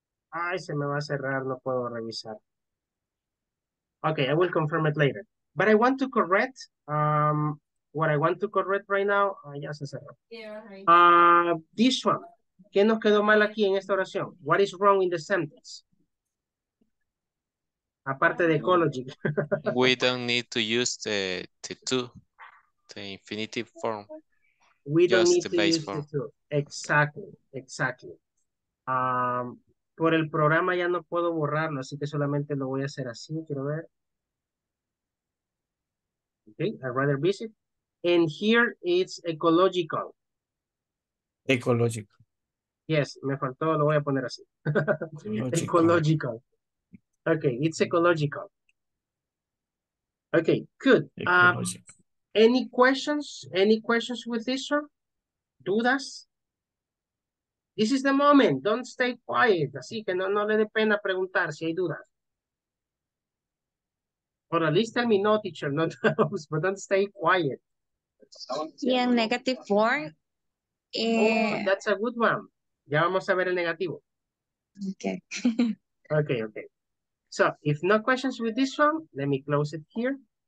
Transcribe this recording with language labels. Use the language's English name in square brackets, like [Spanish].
[Spanish] Ay, se me va a cerrar, no puedo revisar. [English] Okay, I will confirm it later. But I want to correct what I want to correct right now. [Spanish] Ah, ya se cerró. [English] This one. [Spanish] ¿Qué nos quedó mal aquí en esta oración? [English] What is wrong in the sentence? [Spanish] Aparte de ecology. [English] We don't need to use the infinitive form. We don't just need the to base use form. The two. Exactly, exactly. [Spanish] Por el programa ya no puedo borrarlo, así que solamente lo voy a hacer así. Quiero ver. [English] Okay, I'd rather visit. And here it's ecological. Ecological. [Spanish] Yes, me faltó, lo voy a poner así. [English] Ecological. Okay, it's ecological. Okay, good. Any questions with this one? Dudas? This is the moment. Don't stay quiet. [Spanish] Así que no le dé pena preguntar si hay dudas. [English] Or at least tell me no, teacher, no doubts, but don't stay quiet. Yeah, negative four. That's a good one. [Spanish] Ya vamos a ver el negativo. [English] Okay. Okay. So, if no questions with this one, let me close it here.